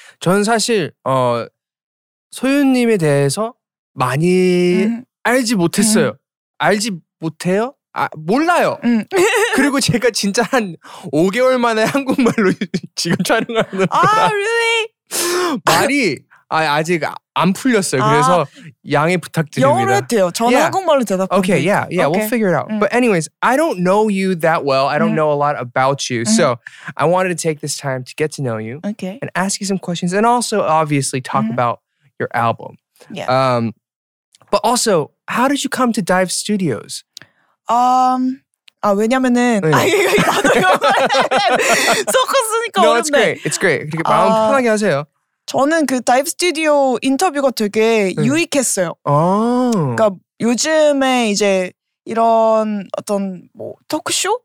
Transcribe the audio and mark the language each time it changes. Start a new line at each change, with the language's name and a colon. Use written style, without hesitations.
Korean: 저는 사실 소윤님에 대해서 많이 알지 못했어요. 알지 못해요? 아, 몰라요. 그리고 제가 진짜 한 5개월 만에 한국말로 지금 촬영하는 거라.
English: 아, really?
Korean: 말이 아직 안 풀렸어요. 그래서 양해 부탁드립니다. 영어로 해도 돼요. 저는
English: yeah.
Korean: 한국말로 대답합니다.
English: Okay, yeah, yeah, okay. we'll figure it out. But anyways, I don't know you that well. I don't know a lot about you. So I wanted to take this time to get to know you okay. and ask you some questions and also obviously talk about your album. Yeah. But also, how did you come to Dive Studios?
Korean: 아 왜냐면은 네.
English: 아 이거 나도 영어를 섞어 쓰니까 no,
Korean: 어렵네.
English: No, it's great. It's great.
Korean: 그렇게 마음 편하게 하세요. 저는 그 다이브 스튜디오 인터뷰가 되게 유익했어요. 오. 그러니까 요즘에 이제 이런 어떤 뭐 토크쇼